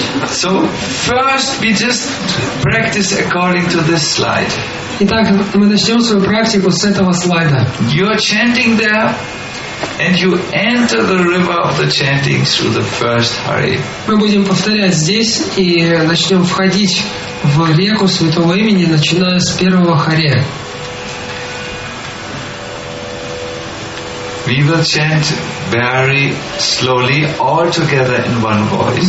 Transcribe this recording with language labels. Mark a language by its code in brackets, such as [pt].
[en] So first we just practice according to this slide. [ru] Итак, мы начнем свою практику с этого слайда. [en] You are chanting there, and you enter the river of the chanting through the first hari. [ru] Мы будем повторять здесь и начнем входить в реку Святого Имени, начиная с первого хари. [en] We will chant very slowly, all together in one voice.